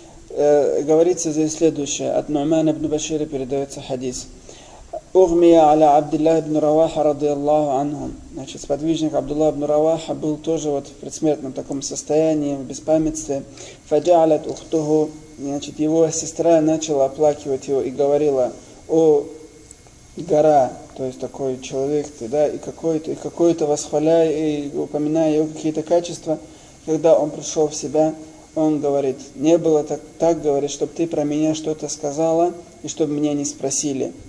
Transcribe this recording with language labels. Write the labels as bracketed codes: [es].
[ru] Говорится здесь следующее: от Нуймана ибн Башира передается хадис. [ar] أغمي على عبد الله بن رواحة رضي الله عنهم. [ru] Значит, сподвижник Абдулла ибн Раваха был тоже вот в предсмертном таком состоянии, в беспамятстве. [ar] فجعلت أخته, [ru] значит, его сестра начала оплакивать его и говорила: «О гора, то есть такой человек ты, да, и какой-то восхваляя и упоминая его какие-то качества, когда он пришел в себя, он говорит: не было так говорит, чтобы ты про меня что-то сказала и чтобы меня не спросили.